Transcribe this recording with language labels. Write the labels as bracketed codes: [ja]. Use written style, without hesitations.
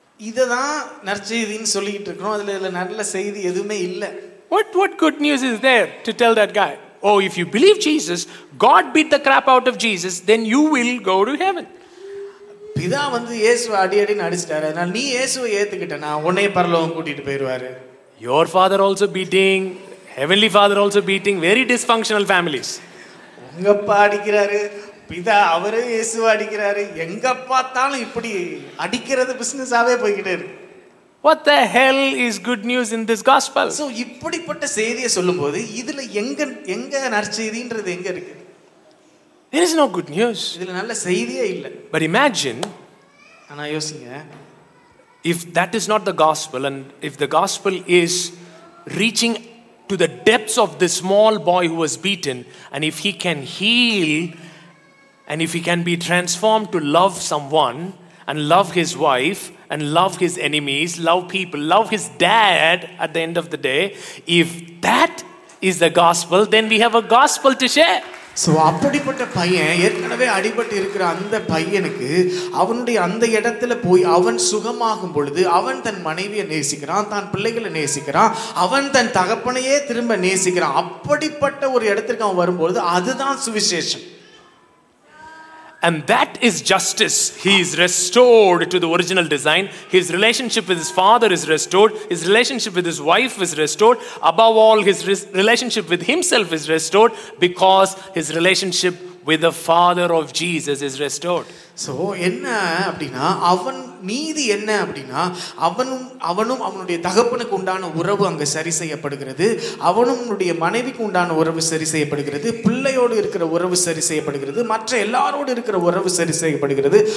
[ta] இதுதான் நற்செய்தின்னு சொல்லிட்டு இருக்கோம். அதுல இல்ல நல்ல செய்தி எதுமே இல்ல. [en] What good news is there to tell that guy? Oh, if you believe Jesus, God beat the crap out of Jesus, then you will go to heaven. [ta] பிதா வந்து இயேசுவை அடியடி நடிச்சிட்டாரு, அதனால நீ இயேசுவை ஏத்துக்கிட்டனா உன்னை பரலோகம் கூட்டிட்டு போயிடுவாரு. [en] Your father also beating, heavenly father also beating, very dysfunctional families. [ta] உங்க அப்பா அடிக்கிறாரு, பிதா அவரே இயேசுவை அடிக்கிறாரு, எங்க பார்த்தாலும் இப்படி அடிக்கிறது பிசினஸாவே போய்கிட்டே இருக்கு. [en] What the hell is good news in this gospel? [ta] So இப்படிப்பட்ட செய்தியை சொல்லும்போது இதுல எங்க நற்செய்தின்றது எங்க இருக்கு? [en] There is no good news. [ta] இதுல நல்ல செய்தியே இல்ல. [en] But imagine, [ta] انا யோசிங்க, [en] if that is not the gospel, and if the gospel is reaching to the depths of this small boy who was beaten, and if he can heal, and if he can be transformed to love someone and love his wife and love his enemies, love people, love his dad at the end of the day, if that is the gospel, then we have a gospel to share. [ta] So அப்படிப்பட்ட பையன், ஏற்கனவே அடிபட்டு இருக்கிற அந்த பையனுக்கு அவனுடைய அந்த இடத்துல போய் அவன் சுகமாகும் பொழுது அவன் தன் மனைவியை நேசிக்கிறான், தன் பிள்ளைகளை நேசிக்கிறான், அவன் தன் தகப்பனையே திரும்ப நேசிக்கிறான். அப்படிப்பட்ட ஒரு இடத்திற்கு அவன் வரும்பொழுது அதுதான் சுவிசேஷம். [en] And that is justice. He is restored to the original design. His relationship with his father is restored. His relationship with his wife is restored. Above all, his relationship with himself is restored because his relationship with the Father of Jesus is restored. [ta] So என்ன அப்படின்னா, அவன் நீதி என்ன அப்படின்னா, அவனும் அவனுடைய தகப்பனுக்கு உண்டான உறவு அங்கே சரி செய்யப்படுகிறது, அவனும் அவனுடைய மனைவிக்கு உண்டான உறவு சரி செய்யப்படுகிறது, பிள்ளையோடு இருக்கிற உறவு சரி செய்யப்படுகிறது, மற்ற எல்லாரோடு இருக்கிற உறவு சரி செய்யப்படுகிறது.